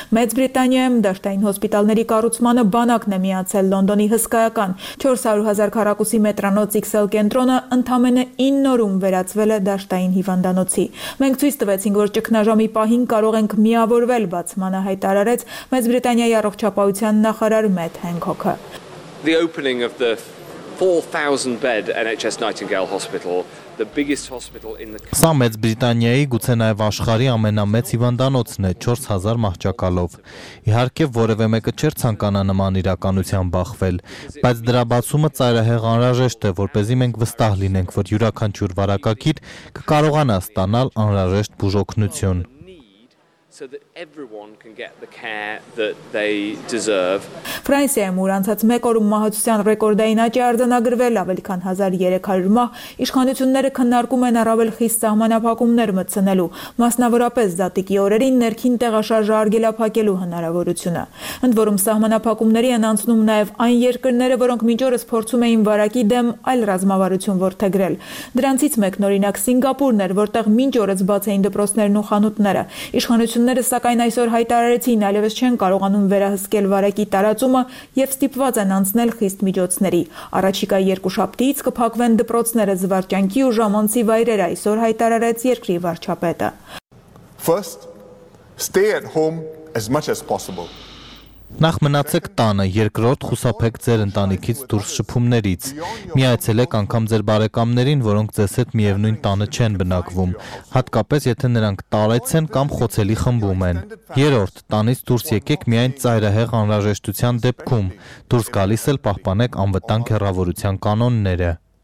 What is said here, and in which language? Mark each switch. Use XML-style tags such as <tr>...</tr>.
<hy>Մեծ Բրիտանիայում դաշտային հոսպիտալների կառուցմանը բանակն է միացել Լոնդոնի հսկայական 400,000 քառակուսի մետրանոց XL կենտրոնը, ընդամենը 9 օրում վերածվել է դաշտային հիվանդանոցի։ Մենք ցույց տվեցինք, որ ճգնաժամի պահին կարող ենք միավորվել, բացմանը հայտարարեց Մեծ Բրիտանիայի առողջապահության նախարար Մեթ Հենքոքը։</hy> <en>The opening of the 4000 bed NHS Nightingale Hospital, the biggest hospital in the</en> <hy>Սա Մեծ Բրիտանիայի գուցե նաև աշխարհի ամենամեծ հիվանդանոցն է 4000 մահճակալով։ Իհարկե որևէ մեկը չէր ցանկանա նման իրականության բախվել, բայց դրա բացումը ծայրահեղ անհրաժեշտ է, որպեսզի մենք վստահ լինենք, որ յուրաքանչյուր վարակակիր կկարողանա ստանալ անհրաժեշտ բուժօգնություն։</hy> <en>So that everyone can get the care that they deserve.</en> <hy>Ֆրանսիայում ուրանցած 1 օրում մահացության ռեկորդային աճը արձանագրվել, ավելի քան 1300 մահ։ Իշխանությունները քննարկում են առավել խիստ սահմանափակումներ մտցնելու, մասնավորապես զատիկի օրերին ներքին տեղաշարժը արգելափակելու հնարավորությունը։ Ընդ որում սահմանափակումների են անցնում նաև այն երկրները, որոնք մինչ օրս փորձում էին վարակի դեմ այլ ռազմավարություն որդեգրել։ Դրանցից մեկն օրինակ Սինգապուրն էր, որտեղ մինչ օրս բաց էին դպրոցներն ու խանութները։ Իշխանությունները, սակայն, այսօր հայտարարեցին, այլևս չեն կարողանում վերահսկել վարակի տարածումը և ստիպված են անցնել խիստ միջոցների։ Առաջիկա երկու շաբթից կփակվեն դպրոցները, զվարճանքի ու ժամանցի վայրերը, այսօր հայտարարեց երկրի վարչապետը։</hy> <en>First, stay at home as much as possible.</en> <hy>Նախ մնացեք տանը, երկրորդ խուսափեք ձեր ընտանիքից դուրս շփումներից, միացելեք անգամ ձեր բարեկամներին, որոնք ձեզ հետ միևնույն տանը չեն բնակվում, հատկապես եթե նրանք տարեց են կամ խոցելի խմբում են։ Երրորդ, տանից դուրս եկեք միայն ծայրահեղ անհրաժեշտության դեպքում, դուրս գալիս էլ պահպանեք անվտանգ հեռավորության կանոնները։</hy>